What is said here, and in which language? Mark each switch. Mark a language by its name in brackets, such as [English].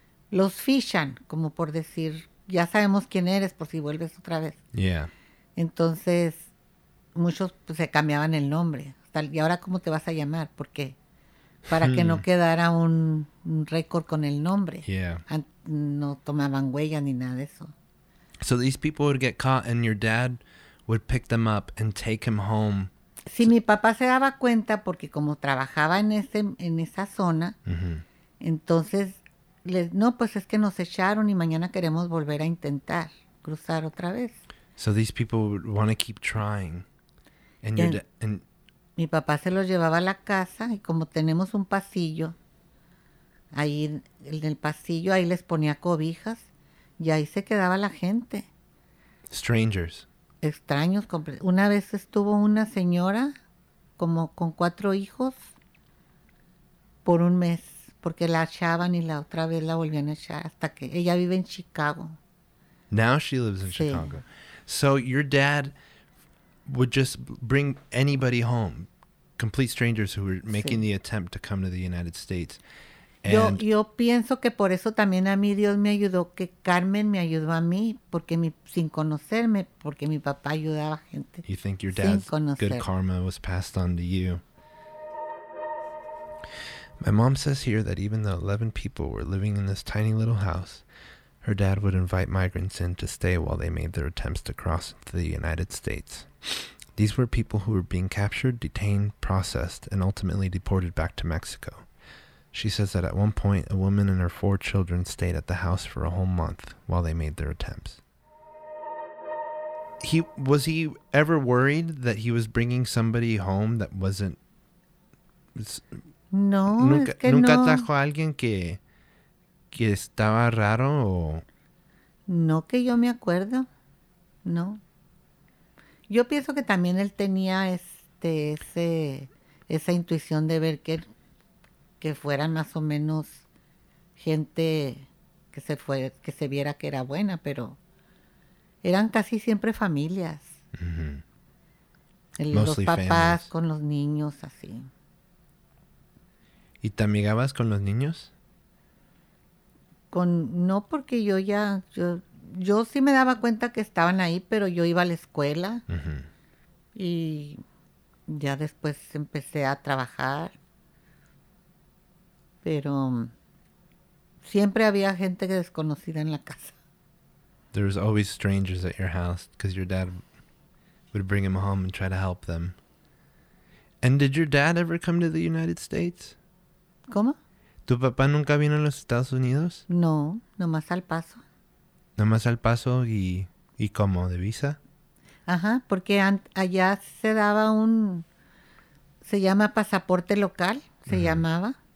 [Spanish] Los fichan, como por decir, ya sabemos quién eres por si vuelves otra vez. [English] Yeah. [Spanish] Entonces, muchos pues, se cambiaban el nombre. ¿Y ahora cómo te vas a llamar? ¿Por qué? Para que no quedara un récord con el nombre. [English] Yeah. [Spanish] No tomaban huella ni nada de eso. [English] So these people would get caught and your dad would pick them up and take him home. [Spanish] Si mi papá se daba cuenta, porque como trabajaba en esa zona, mm-hmm. entonces No, pues es que nos echaron y mañana queremos volver a intentar cruzar otra vez. [English] So these people would want to keep trying. And your and [Spanish] mi papá se los llevaba a la casa y como tenemos un pasillo, ahí en el pasillo, ahí les ponía cobijas y ahí se quedaba la gente. [English] Strangers. [Spanish] Extraños. Una vez estuvo una señora como con cuatro hijos por un mes, porque la echaban y la otra vez la volvían a echar hasta que ella vive en Chicago. [English] Now she lives in Chicago. So your dad would just bring anybody home, complete strangers who were making the attempt to come to the United States. And [Spanish] yo pienso que por eso también a mí Dios me ayudó, que Carmen me ayudó a mí, porque sin conocerme, porque mi papá ayudaba a gente. [English] You think your dad's good karma was passed on to you. My mom says here that even though 11 people were living in this tiny little house, her dad would invite migrants in to stay while they made their attempts to cross into the United States. These were people who were being captured, detained, processed, and ultimately deported back to Mexico. She says that at one point, a woman and her four children stayed at the house for a whole month while they made their attempts. Was he ever worried that he was bringing somebody home that wasn't... [Spanish] No, nunca, es que nunca no. ¿Nunca trajo a alguien que estaba raro o...? No, que yo me acuerdo. No. Yo pienso que también él tenía esa intuición de ver que fueran más o menos gente que se viera que era buena, pero eran casi siempre familias. Mm-hmm. Los papás [English] families. [Spanish] Con los niños, así. ¿Y te amigabas con los niños? No, porque yo sí me daba cuenta que estaban ahí, pero yo iba a la escuela. Mm-hmm. Y ya después empecé a trabajar. Pero siempre había gente que desconocida en la casa. [English] There was always strangers at your house because your dad would bring him home and try to help them. And did your dad ever come to the United States? [Spanish] ¿Cómo? ¿Tu papá nunca vino a los Estados Unidos? No, nomás al paso. ¿Nomás al paso y cómo? ¿De visa? Ajá, porque allá se daba se llama pasaporte local, se llamaba.